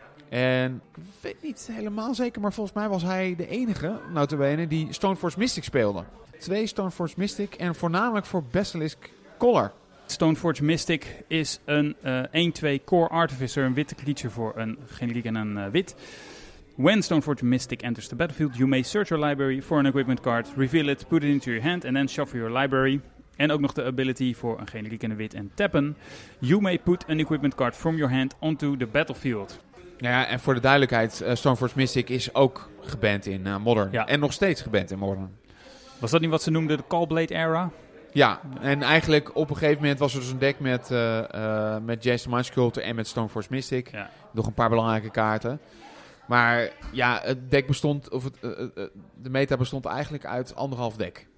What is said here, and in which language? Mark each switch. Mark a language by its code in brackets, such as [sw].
[nl] En ik weet niet helemaal zeker, maar volgens mij was hij de enige, notabene, die Stoneforge Mystic speelde. 2 Stoneforge Mystic en voornamelijk voor Basilisk Collar. Stoneforge Mystic is een 1-2 Core Artificer, een witte creature voor een generiek en een wit. [en] When Stoneforge Mystic enters the battlefield, you may search your library for an equipment card, reveal it, put it into your hand and then shuffle your library. [nl] En ook nog de ability voor een generiek en een wit en tappen. [en] You may put an equipment card from your hand onto the battlefield. [nl] Ja, en voor de duidelijkheid, Stoneforge Mystic is ook geband in Modern. Ja. En nog steeds geband in Modern. Was dat niet wat ze noemden de Callblade era? Ja, en eigenlijk op een gegeven moment was er dus een deck met Jace the Mind Sculptor en met Stoneforge Mystic. Ja. Nog een paar belangrijke kaarten. Maar ja, het deck bestond, de meta bestond eigenlijk uit 1,5 deck.